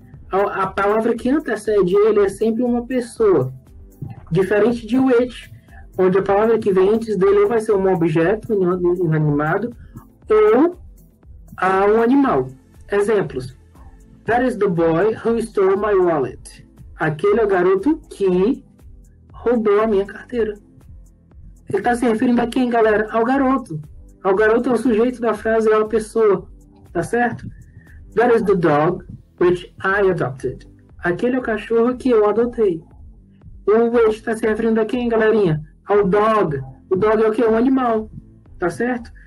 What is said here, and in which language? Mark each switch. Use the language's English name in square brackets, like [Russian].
[Portuguese] A palavra que antecede ele é sempre uma pessoa. Diferente de it, onde a palavra que vem antes dele vai ser um objeto inanimado ou um animal. Exemplos. [English] That is the boy who stole my wallet. [Portuguese] Aquele é o garoto que roubou a minha carteira. Ele está se referindo a quem, galera? Ao garoto. Ao garoto é o sujeito da frase, é a pessoa. Tá certo? [English] That is the dog which I adopted. [Portuguese] Aquele é o cachorro que eu adotei. O which está se referindo a quem, galerinha? Ao dog. O dog é o quê? Um animal. Tá certo?